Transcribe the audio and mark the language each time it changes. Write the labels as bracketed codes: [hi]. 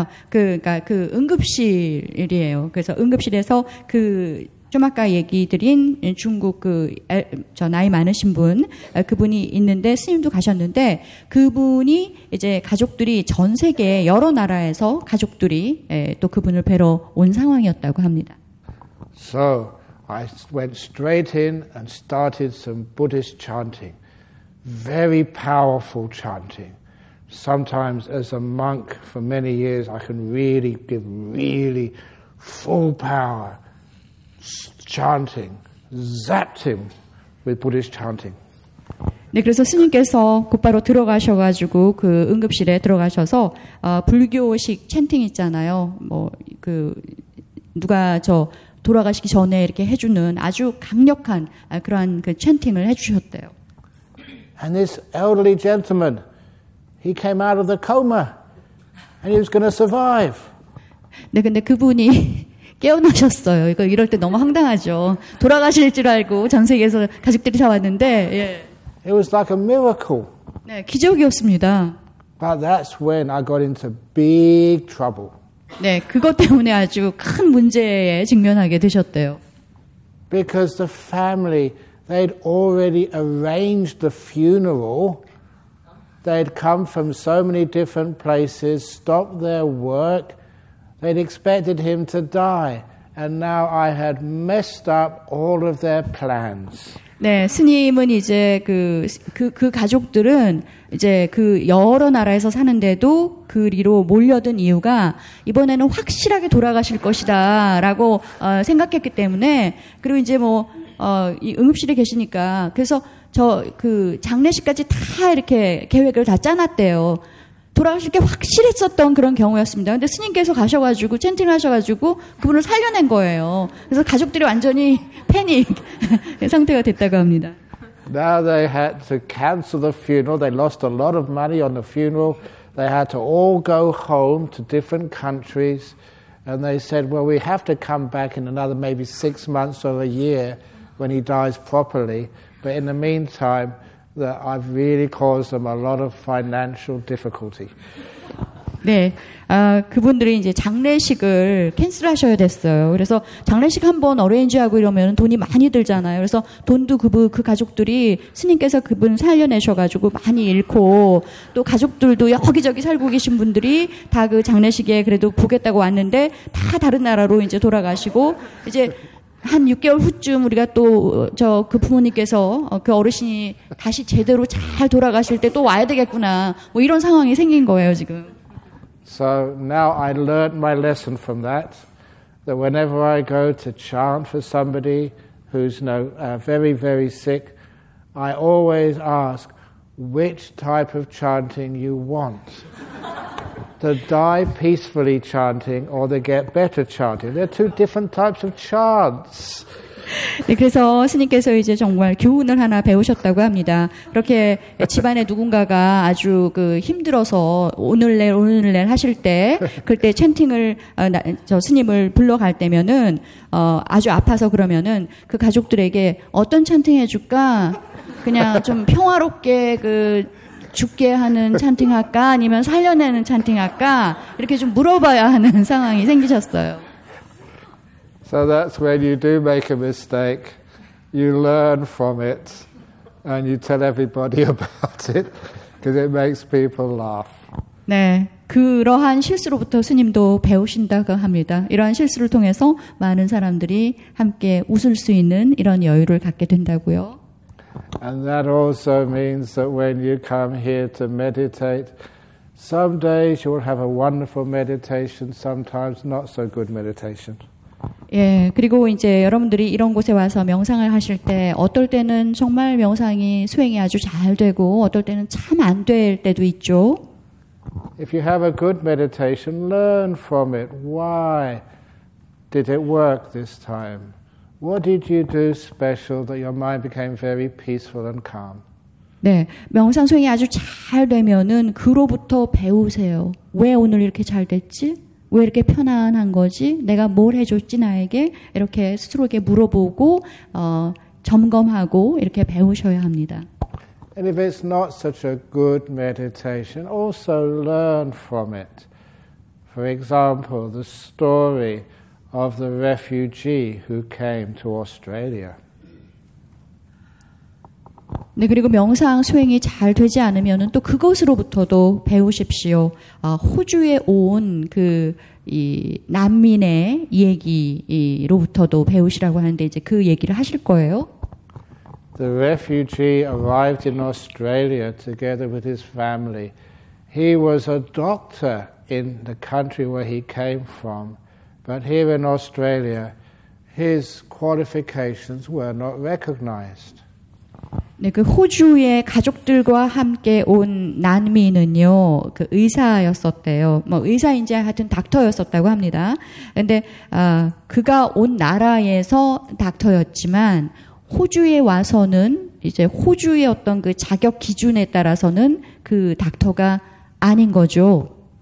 [ko] 그러니까 그 응급실이에요. 그래서 응급실에서 그 좀 아까 얘기 드린 중국 그 저 나이 많으신 분 그분이 있는데 스님도 가셨는데 그분이 이제 가족들이 전 세계 여러 나라에서 가족들이 또 그분을 뵈러 온 상황이었다고 합니다. [en] So I went straight in and started some Buddhist chanting. Very powerful chanting. sometimes as a monk for many years, I can really give really full power, chanting, zapped him with Buddhist chanting. [ko] 네, 그래서 스님께서 곧바로 들어가셔가지고 그 응급실에 들어가셔서 불교식 챈팅 있잖아요. 뭐 그 누가 저 돌아가시기 전에 이렇게 해주는 아주 강력한 그러한 그 챈팅을 해주셨대요. [en] And this elderly gentleman, he came out of the coma, and he was going to survive. [ko] 네, 근데 그분이 깨어나셨어요. 이거 이럴 때 너무 황당하죠. 돌아가실 줄 알고 전 세계에서 가족들이 다 왔는데. 예. [en] It was like a miracle. [ko] 네, 기적이었습니다. [en] But that's when I got into big trouble. [ko] 네, 그것 때문에 아주 큰 문제에 직면하게 되셨대요. [en] Because the family, they'd already arranged the funeral. They'd come from so many different places, stopped their work. They'd expected him to die. And now I had messed up all of their plans. [ko] 네, 스님은 이제 그 가족들은 이제 그 여러 나라에서 사는데도 그리로 몰려든 이유가 이번에는 확실하게 돌아가실 것이다라고 생각했기 때문에 그리고 이제 뭐 이 응급실에 계시니까 그래서 저 그 장례식까지 다 이렇게 계획을 다 짜놨대요. 돌아가실 게 확실했었던 그런 경우였습니다. 근데 스님께서 가셔가지고 챈팅하셔가지고 그분을 살려낸 거예요. 그래서 가족들이 완전히 패닉 상태가 됐다고 합니다. [en] Now they had to cancel the funeral. They lost a lot of money on the funeral. They had to all go home to different countries, and they said, "Well, we have to come back in another maybe 6 months or a year when he dies properly. But in the meantime." That I've really caused them a lot of financial difficulty. [ko] 네, 그분들이 이제 장례식을 캔슬하셔야 됐어요. 그래서 장례식 한번 어레인지하고 이러면 돈이 많이 들잖아요. 그래서 돈도 그 가족들이 스님께서 그분 살려내셔가지고 많이 잃고 또 가족들도 여기저기 살고 계신 분들이 다 그 장례식에 그래도 보겠다고 왔는데 다 다른 나라로 이제 돌아가시고 이제. 한 6개월 후쯤 우리가 또 저 그 부모님께서 그 어르신이 다시 제대로 잘 돌아가실 때 또 와야 되겠구나 뭐 이런 상황이 생긴 거예요 지금. [en] So now I learned my lesson from that. That whenever I go to chant for somebody who's very very sick, I always ask which type of chanting you want. The die peacefully chanting or the get better chanting. They're two different types of chants. [ko] 네, 그래서 스님께서 이제 정말 교훈을 하나 배우셨다고 합니다. 그렇게 집안에 누군가가 아주 그 힘들어서 오늘 내일 하실 때, 그때 챈팅을 저 스님을 불러갈 때면은 아주 아파서 그러면은 그 가족들에게 어떤 챈팅 해줄까? 그냥 좀 평화롭게 그 죽게 하는 찬팅 할까 아니면 살려내는 찬팅 할까 이렇게 좀 물어봐야 하는 상황이 생기셨어요. [en] So that's when you do make a mistake, you learn from it, and you tell everybody about it because it makes people laugh. [ko] 네, 그러한 실수로부터 스님도 배우신다고 합니다. 이러한 실수를 통해서 많은 사람들이 함께 웃을 수 있는 이런 여유를 갖게 된다고요. [en] And that also means that when you come here to meditate, some days you will have a wonderful meditation, sometimes not so good meditation. [ko] 예, 그리고 이제 여러분들이 이런 곳에 와서 명상을 하실 때 어떨 때는 정말 명상이 수행이 아주 잘 되고 어떨 때는 참 안 될 때도 있죠. [en] If you have a good meditation, learn from it. Why did it work this time? What did you do special that your mind became very peaceful and calm? [ko] 네, 명상 수행이 아주 잘 되면은 그로부터 배우세요. 왜 오늘 이렇게 잘 됐지? 왜 이렇게 편안한 거지? 내가 뭘 해줬지 나에게? 이렇게 스스로에게 물어보고 점검하고 이렇게 배우셔야 합니다. [en] And if it's not such a good meditation, also learn from it. For example, the story of the refugee who came to Australia. [ko] 네, 그리고 명상 수행이 잘 되지 않으면은 또 그것으로부터도 배우십시오. 호주에 온 그 이 난민의 얘기로부터도 배우시라고 하는데 이제 그 얘기를 하실 거예요. [en] The refugee arrived in Australia together with his family. He was a doctor in the country where he came from, but here in Australia, his qualifications were not recognized. [ko] 네, 그 호주의 가족들과 함께 온 난민은요, 그 의사였었대요. 뭐 의사인지 하여튼 닥터였었다고 합니다. 근데 그가 온 나라에서 닥터였지만 호주에 와서는 이제 호주의 어떤 그 자격 기준에 따라서는 그 닥터가 아닌 거죠.